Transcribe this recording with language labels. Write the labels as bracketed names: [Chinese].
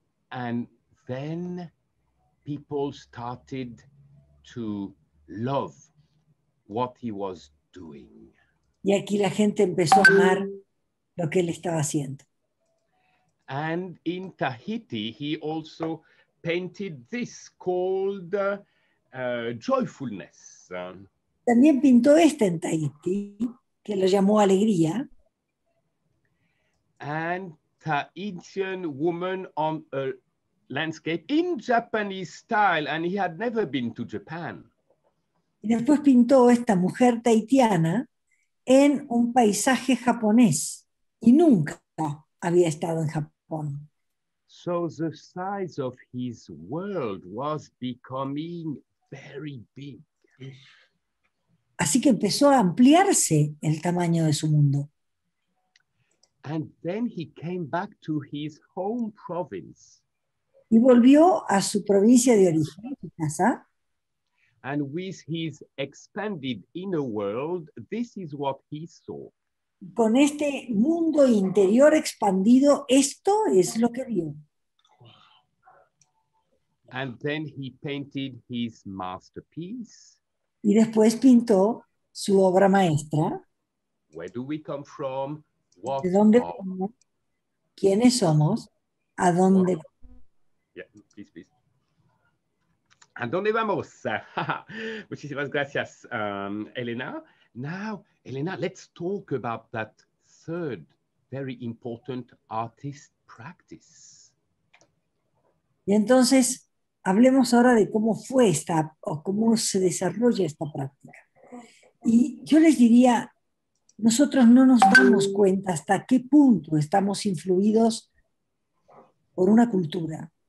[English] And then people started to love what he was doing. [Spanish] Y aquí la gente empezó a amar lo que él estaba haciendo. [English] And in Tahiti, he also painted this called Joyfulness. [Spanish] También pintó este en Tahiti, que lo llamó Alegría. [English] And Tahitian woman on a landscape in Japanese style, and he had never been to Japan. [Spanish] Y después pintó esta mujer tahitiana en un paisaje japonés, y nunca había estado en Japón. [English] So the size of his world was becoming very big. [Spanish] Así que empezó a ampliarse el tamaño de su mundo. [English] And then he came back to his home province. [Spanish] Y volvió a su provincia de origen, su casa. [English] And with his expanded inner world, this is what he saw. [Spanish] Con este mundo interior expandido, esto es lo que vio. [English] And then he painted his masterpiece. [Spanish] Y después pintó su obra maestra. [English] Where do we come from? What [Spanish] ¿De dónde venimos? ¿Quiénes somos? ¿A dónde vamos? [English] Yeah, please, please. [Spanish] ¿A dónde vamos? Muchísimas gracias, Elena. [English] Now, Elena, let's talk about that third very important artist practice. [Spanish] Y entonces, hablemos ahora de cómo fue esta, o cómo se desarrolla esta práctica. Y yo les diría, nosotros no nos damos cuenta hasta qué punto estamos influidos por una cultura,